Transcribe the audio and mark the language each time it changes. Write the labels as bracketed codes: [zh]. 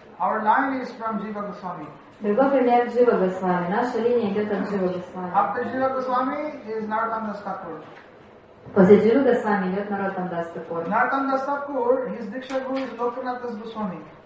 [en] Our line is from Jiva Goswami. [ru] Другой пример Jiva Goswami. Наша линия идет от Jiva Goswami. [en] After Jiva Goswami is Narottam Das Thakur. [ru] После Jiva Goswami идет Narottam Das Thakur. [en] Narottam Das Thakur, his Diksha Guru is Lokanath Das Goswami.